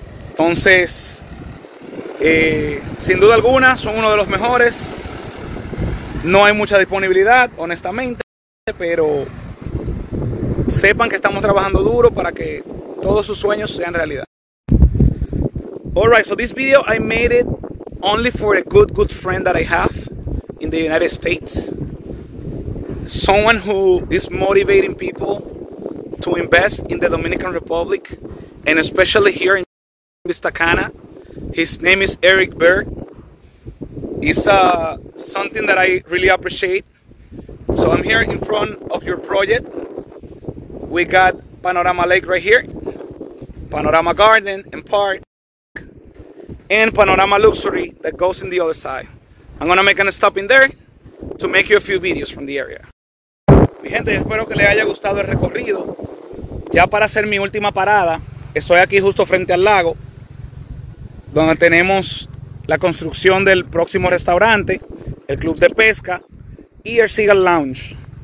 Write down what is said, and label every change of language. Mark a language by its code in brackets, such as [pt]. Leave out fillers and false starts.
[es] Entonces, sin duda alguna, son uno de los mejores. No hay mucha disponibilidad, honestamente, pero sepan que estamos trabajando duro para que todos sus sueños sean realidad. [en] Alright, so this video, I made it only for a good friend that I have in the United States. Someone who is motivating people to invest in the Dominican Republic, and especially here in Vistacana. His name is Eric Berg. It's something that I really appreciate. So I'm here in front of your project. We got Panorama Lake right here, Panorama Garden and Park, and Panorama Luxury that goes in the other side. I'm gonna make a stop in there to make you a few videos from the area. [es] Mi gente, espero que les haya gustado el recorrido. Ya para hacer mi última parada, estoy aquí justo frente al lago, donde tenemos la construcción del próximo restaurante, el club de pesca y el Seagull Lounge.